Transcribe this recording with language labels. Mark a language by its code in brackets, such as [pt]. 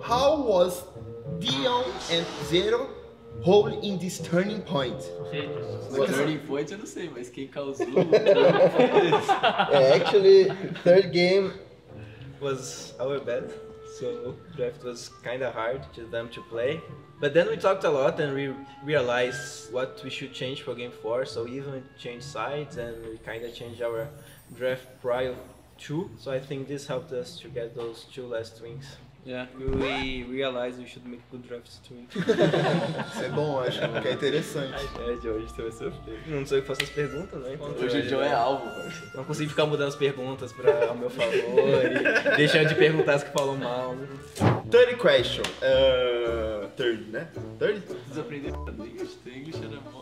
[en] How was Dion and Zero role in this turning point? Turning point, [pt] eu não sei, mas quem causou? [en] Actually, third game was our bad. So draft was kind of hard to them to play. But then we talked a lot and we realized what we should change for game 4, so we even changed sides and we kind of changed our draft prior too. So I think this helped us to get those two last wings. Yeah, we realized we should make good drafts too. [pt] Isso é bom, acho, que é interessante. É, de hoje você vai sofrer. Não sei o que faço as perguntas, né? Então, hoje o Joe é alvo, parceiro. Não consigo ficar mudando as perguntas para o meu favor e deixando de perguntar as que falam mal. [en] Third question. Third, né? Third? [pt] Desaprender.